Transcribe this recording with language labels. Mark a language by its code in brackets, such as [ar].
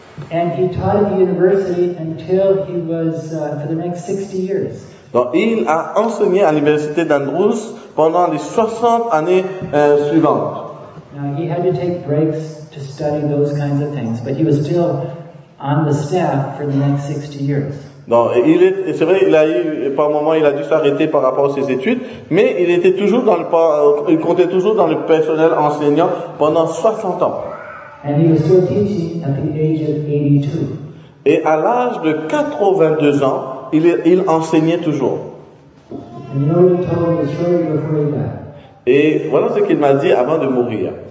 [en] And he taught at the university until he was, for the next 60 years. [fr] Donc, il a enseigné à l'université d'Andrews pendant les 60 années suivantes. [en] Now, he had to take breaks to study those kinds of things, but he was still on the staff for the next 60 years. [fr] Donc, c'est vrai, il a eu, par moment, il a dû s'arrêter par rapport à ses études, mais il était toujours dans le, il comptait toujours dans le personnel enseignant pendant 60 ans. [en] And he was still teaching at the age of 82. [fr] Et à l'âge de 82 ans, il enseignait toujours. [en] And you know what he told me shortly before he died. [fr] Et voilà ce qu'il m'a dit avant de mourir.